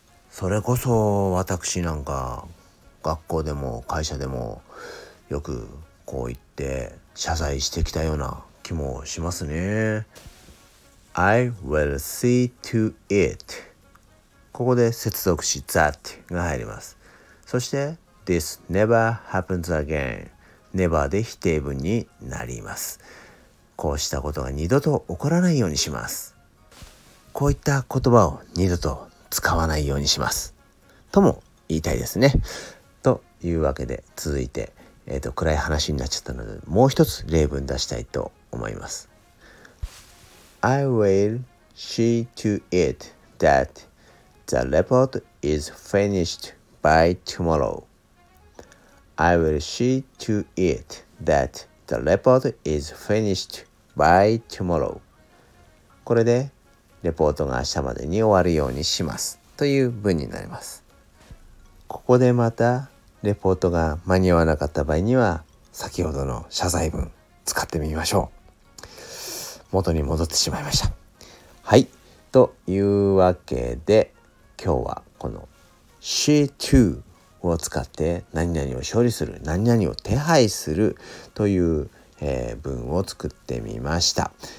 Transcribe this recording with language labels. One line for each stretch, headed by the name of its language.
Japanese: それこそ私なんか学校でも会社でもよくこう言って謝罪してきたような気もしますね。
English: I will see to it。
Japanese: ここで接続詞 that が入ります。そして
English: This never happens again。
Japanese: never で否定文になります。こうしたことが二度と起こらないようにします。こういった言葉を二度と使わないようにしますとも言いたいですね。というわけで続いて、暗い話になっちゃったのでもう一つ例文出したいと思います。
English: I will see to it that the report is finished by tomorrow. I will see to it thatThe report is finished by tomorrow.
Japanese: これでレポートが明日までに終わるようにしますという文になります。ここでまたレポートが間に合わなかった場合には先ほどの謝罪文使ってみましょう。元に戻ってしまいました。はい、というわけで今日はこの
English: She too
Japanese: を使って何々を処理する、何々を手配するという、文を作ってみました。